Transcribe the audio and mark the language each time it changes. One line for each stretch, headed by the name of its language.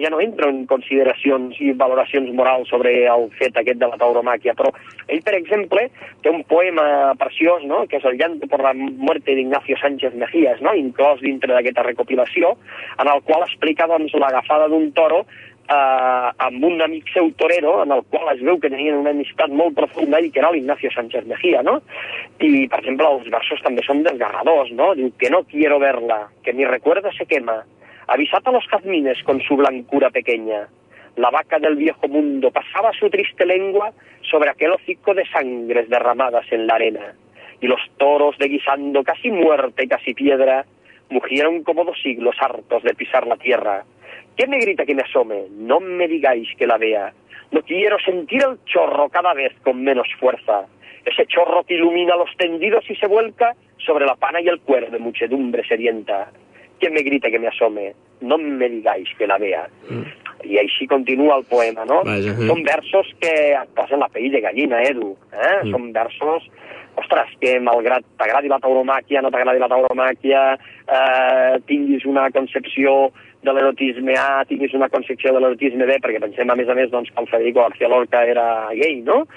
Catalan: Ja no entro en consideracions i valoracions morals sobre el fet aquest de la tauromàquia, però ell, per exemple, té un poema preciós, no?, que és El llanto por la muerte de Ignacio Sánchez Mejías, no?, inclòs dintre d'aquesta recopilació, en el qual explica doncs l'agafada d'un toro amb un amic seu torero, en el qual es veu que tenien una amistat molt profunda i que era l'Ignacio Sánchez Mejía, no? I, per exemple, els versos també són desgarradors, no?
Spanish: Diu: «Que no quiero verla, que mi recuerdo se quema. Avisad a los cazmines con su blancura pequeña. La vaca del viejo mundo pasaba su triste lengua sobre aquel hocico de sangres derramadas en la arena. Y los toros, deguisando casi muerte y casi piedra, mugieron como dos siglos hartos de pisar la tierra. ¿Quién me grita que me asome? No me digáis que la vea. No quiero sentir el chorro cada vez con menos fuerza. Ese chorro que ilumina los tendidos y se vuelca sobre la pana y el cuero de muchedumbre sedienta. ¿Quién me grita que me asome? No me digáis que la vea. Y así continúa el poema, ¿no? Vaya.
Catalan: Son versos que et posen la pell de gallina, Edu. Són versos, ostres, que malgrat t'agradi la tauromàquia, no t'agradi la tauromàquia, tinguis una concepció de l'erotisme A, tinguis una concepció de l'erotisme B, perquè pensem, a més, doncs, que el Federico García Lorca era gay, no?